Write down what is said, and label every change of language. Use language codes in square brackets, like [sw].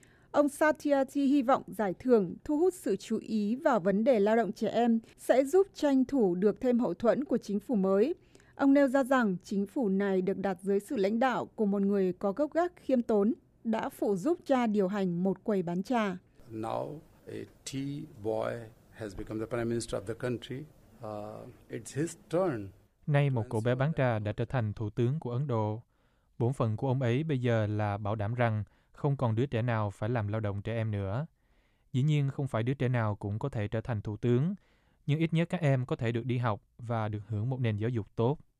[vi] Ông Satyarthi hy vọng giải thưởng thu hút sự chú ý vào vấn đề lao động trẻ em sẽ giúp tranh thủ được thêm hậu thuẫn của chính phủ mới. Ông nêu ra rằng chính phủ này được đặt dưới sự lãnh đạo của một người có gốc gác khiêm tốn, đã phụ giúp cha điều hành một quầy bán trà. [en] Now a tea boy has become the prime minister of the country. It's his turn. [vi] Nay một cậu bé bán trà đã trở thành thủ tướng của Ấn Độ. Bổn phận của ông ấy bây giờ là bảo đảm rằng không còn đứa trẻ nào phải làm lao động trẻ em nữa. Dĩ nhiên không phải đứa trẻ nào cũng có thể trở thành thủ tướng, nhưng ít nhất các em có thể được đi học và được hưởng một nền giáo dục tốt.